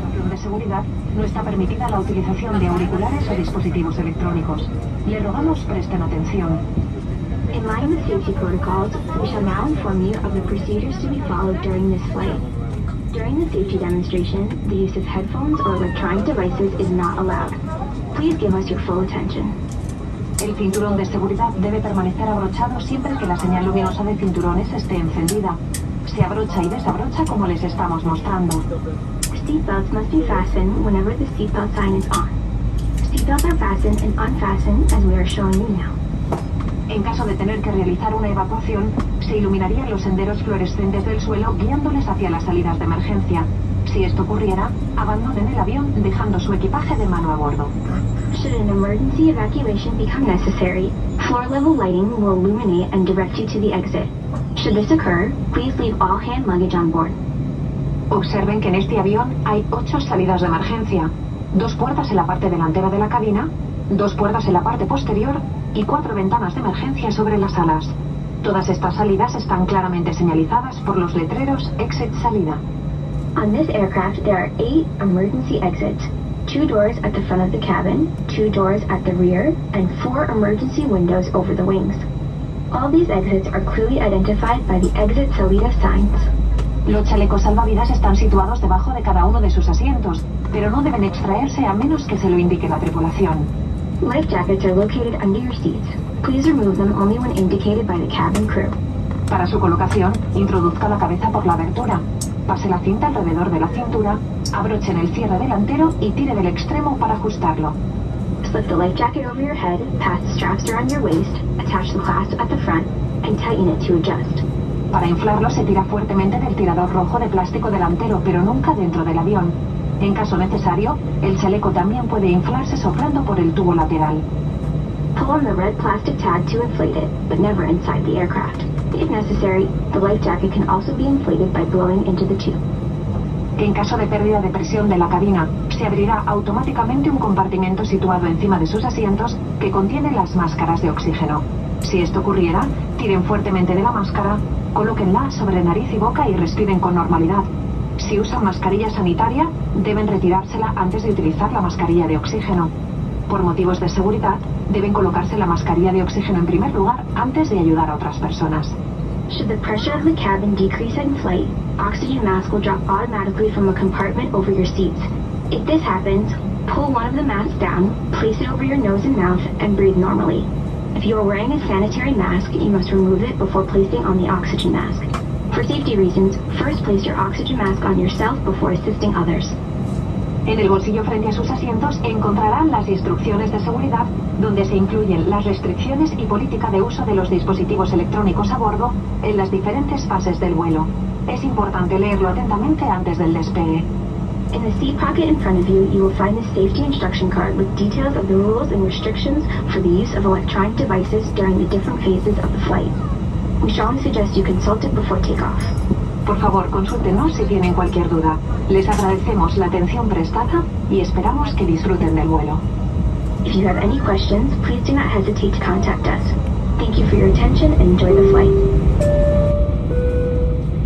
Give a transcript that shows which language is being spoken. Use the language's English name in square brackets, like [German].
[Spanish] De seguridad, no está permitida la utilización de auriculares o dispositivos electrónicos. Le rogamos presten atención. [English] In line with safety protocols, we shall now inform you of the procedures to be followed during this flight. During the safety demonstration, the use of headphones or electronic devices is not allowed. Please give us your full attention. [Spanish] El cinturón de seguridad debe permanecer abrochado siempre que la señal luminosa de cinturones esté encendida. Se abrocha y desabrocha como les estamos mostrando. [English] Seatbelts must be fastened whenever the seatbelt sign is on. Seatbelts are fastened and unfastened as we are showing you now. [Spanish] En caso de tener que realizar una evacuación, se iluminarían los senderos fluorescentes del suelo guiándoles hacia las salidas de emergencia. Si esto ocurriera, abandonen el avión dejando su equipaje de mano a bordo. [English] Should an emergency evacuation become necessary, floor level lighting will illuminate and direct you to the exit. Should this occur, please leave all hand luggage on board. [Spanish] Observen que en este avión hay 8 salidas de emergencia, 2 puertas en la parte delantera de la cabina, 2 puertas en la parte posterior y 4 ventanas de emergencia sobre las alas. Todas estas salidas están claramente señalizadas por los letreros Exit Salida. [English] On this aircraft there are 8 emergency exits. two doors at the front of the cabin, two doors at the rear, and four emergency windows over the wings. All these exits are clearly identified by the exit salida signs. [Spanish] Los chalecos salvavidas están situados debajo de cada uno de sus asientos, pero no deben extraerse a menos que se lo indique la tripulación. [English] Life jackets are located under your seats. Please remove them only when indicated by the cabin crew. [Spanish] Para su colocación, introduzca la cabeza por la abertura. Pase la cinta alrededor de la cintura, abroche el cierre delantero y tire del extremo para ajustarlo. [English] Slip the life jacket over your head, pass the straps around your waist, attach the clasp at the front, and tighten it to adjust. [Spanish] Para inflarlo, se tira fuertemente del tirador rojo de plástico delantero, pero nunca dentro del avión. En caso necesario, el chaleco también puede inflarse soplando por el tubo lateral. [English] Pull on the red plastic tag to inflate it, but never inside the aircraft. If necessary, the life jacket can also be inflated by blowing into the tube. [Spanish] En caso de pérdida de presión de la cabina, se abrirá automáticamente un compartimento situado encima de sus asientos que contiene las máscaras de oxígeno. Si esto ocurriera, tiren fuertemente de la máscara, colóquenla sobre nariz y boca y respiren con normalidad. Si usan mascarilla sanitaria, deben retirársela antes de utilizar la mascarilla de oxígeno. Por motivos de seguridad, deben colocarse la mascarilla de oxígeno en primer lugar antes de ayudar a otras personas. [English] Should the pressure of the cabin decrease in flight, oxygen masks will drop automatically from a compartment over your seats. If this happens, pull one of the masks down, place it over your nose and mouth, and breathe normally. If you are wearing a sanitary mask, you must remove it before placing on the oxygen mask. For safety reasons, first place your oxygen mask on yourself before assisting others. [Spanish] En el bolsillo frente a sus asientos encontrarán las instrucciones de seguridad, donde se incluyen las restricciones y política de uso de los dispositivos electrónicos a bordo en las diferentes fases del vuelo. Es importante leerlo atentamente antes del despegue. [English] In the seat pocket in front of you, you will find the safety instruction card with details of the rules and restrictions for the use of electronic devices during the different phases of the flight. We strongly suggest you consult it before takeoff. [Spanish] Por favor, consúltenos si tienen cualquier duda. Les agradecemos la atención prestada y esperamos que disfruten del vuelo. [English] If you have any questions, please do not hesitate to contact us. Thank you for your attention and enjoy the flight.